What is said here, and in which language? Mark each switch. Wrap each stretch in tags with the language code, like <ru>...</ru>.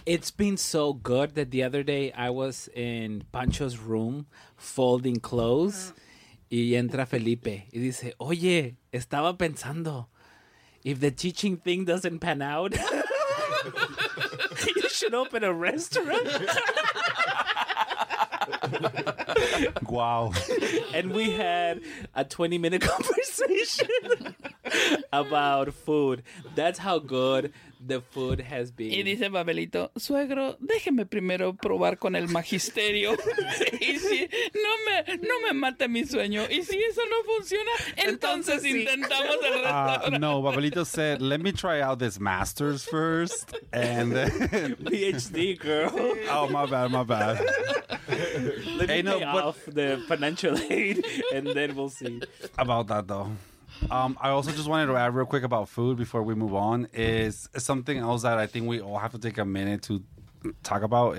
<en>It's been so good that the other day I was in Pancho's room folding clothes</en> <es>y entra Felipe y dice, oye, estaba pensando,</es> <en>if the teaching thing doesn't pan out, you should open a restaurant. Wow. And we had a 20-minute conversation about food. That's how good the food has been.</en> <es>Y dice Babelito, suegro, déjeme primero probar con el magisterio. Y si no me mate mi sueño. Y si eso no funciona, entonces intentamos el restaurante.</es> <en>No, Babelito said, let me try out this master's first. And then... PhD, girl. Oh, my bad, my bad. Let me off the financial aid, and then we'll see. About that, though. I also just wanted to add real quick about food before we move on is something else that I think we all have to take a minute to talk about.</en>